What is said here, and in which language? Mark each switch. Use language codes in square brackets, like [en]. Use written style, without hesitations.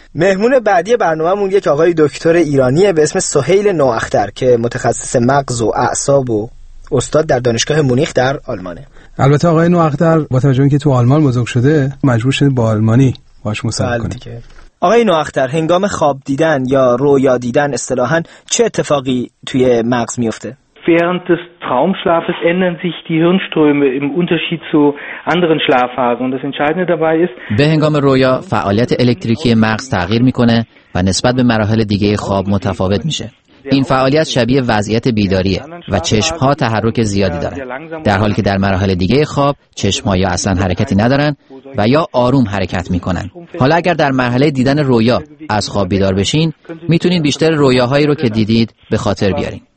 [fa] مهمون بعدی برنامه‌مون یک آقای دکتر ایرانیه به اسم سهیل نواختر که متخصص مغز و اعصاب و استاد در دانشگاه مونیخ در آلمانه. البته آقای نواختر با توجه اینکه تو آلمان بزرگ شده مجبور شده با آلمانی باهاش مصاحبه کنه. آقای نواختر، هنگام خواب دیدن یا رویا دیدن اصطلاحاً چه اتفاقی توی مغز میفته؟ [de] Während des Traumschlafes ändern sich die Hirnströme im Unterschied zu anderen Schlafphasen und das Entscheidende dabei ist [fa] به هنگام رویا فعالیت الکتریکی مغز تغییر میکنه و نسبت به مراحل دیگه خواب متفاوت میشه. این فعالیت شبیه وضعیت بیداریه و چشم‌ها تحرک زیادی دارن، در حالی که در مراحل دیگه خواب چشم‌ها یا اصلا حرکتی ندارن و یا آروم حرکت میکنن. حالا اگر در مرحله دیدن رویا از خواب بیدار بشین، میتونید بیشتر رویاهایی رو که دیدید به خاطر بیارین.